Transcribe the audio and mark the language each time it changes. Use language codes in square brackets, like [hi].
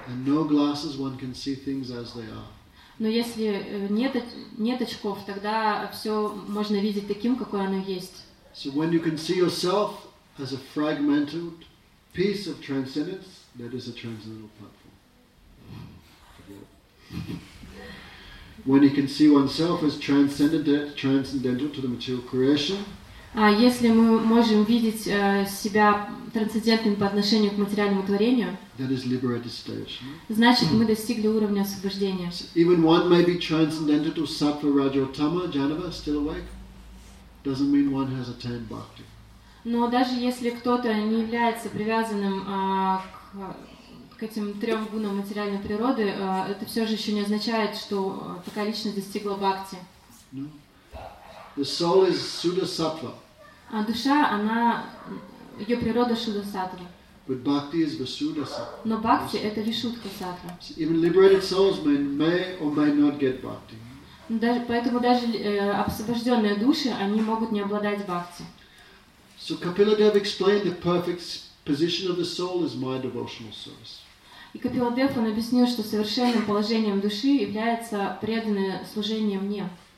[en] And no glasses, one can see things as they are. [ru] Но если нет очков, тогда все можно видеть таким, какое оно есть. [en] So when you can see yourself as a fragmented piece of transcendence, that is a transcendental platform. When you can see oneself as transcendental to the material creation. [ru] Если мы можем видеть себя трансцендентным по отношению к материальному творению. [en] That is liberated stage. [ru] Значит, мы достигли уровня освобождения. [en] Even one may be transcendental to sattva, raja, or tama, janava, still awake. Doesn't mean one has attained bhakti. [ru] Но даже если кто-то не является привязанным к этим трем гунам материальной природы, это все же еще не означает, что такая личность достигла бхакти. [en] No. The soul is suddha-sattva. [ru] А душа, она, ее природа шуддха-саттва. [en] But bhakti is vasuddha-sattva. [ru] Но бхакти – это вишуддха-саттва. [en] So even liberated souls may or may not get bhakti. [ru] Поэтому даже освобожденные души, они могут не обладать бхакти. [en] So Kapila Dev explained the perfect position of the soul is my devotional service. [ru] И Капила Дев он объяснил, что совершенным положением души является преданное служение мне.